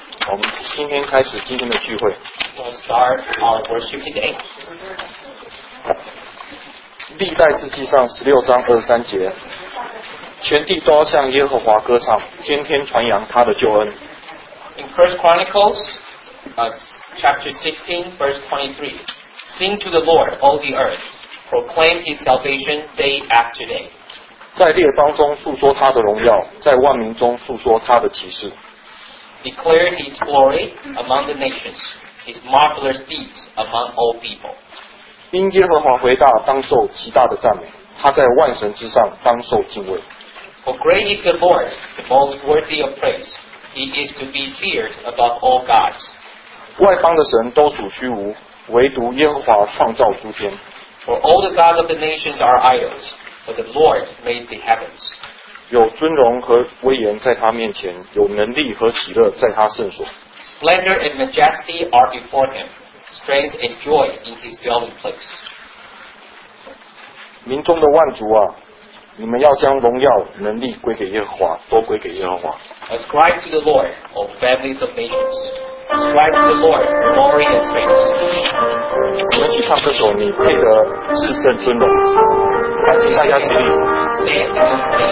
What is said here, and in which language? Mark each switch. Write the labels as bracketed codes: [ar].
[zh] 我们今天开始今天的聚会。 [en] We'll start our worship today. [zh] 历代志记上十六章二十三节，全地都要向耶和华歌唱，天天传扬他的救恩。 [en] In First Chronicles, chapter 16, verse 23, sing to the Lord, all the earth, proclaim His salvation day after day. [zh] 在列邦中述说他的荣耀，在万民中述说他的奇事。 [en] Declare His glory among the nations, His marvelous deeds among all people. [zh] 因耶和华为大，当受极大的赞美，他在万神之上当受敬畏。 [en] For great is the Lord, the most worthy of praise. He is to be feared above all gods. [zh] 外邦的神都属虚无，唯独耶和华创造诸天。 [en] For all the gods of the nations are idols, but the Lord made the heavens. [zh] 有尊荣和威严在他面前，有能力和喜乐在他圣所。 [en] Splendor and majesty are before him, strength and joy in his dwelling place. [zh] 民中的万族啊，你们要将荣耀能力归给耶和华，都归给耶和华。 [en] Ascribe to the Lord, O families of nations. Ascribe to the Lord, glory and strength. [zh] 我们一起唱这首你配得至圣尊荣，还请大家起立。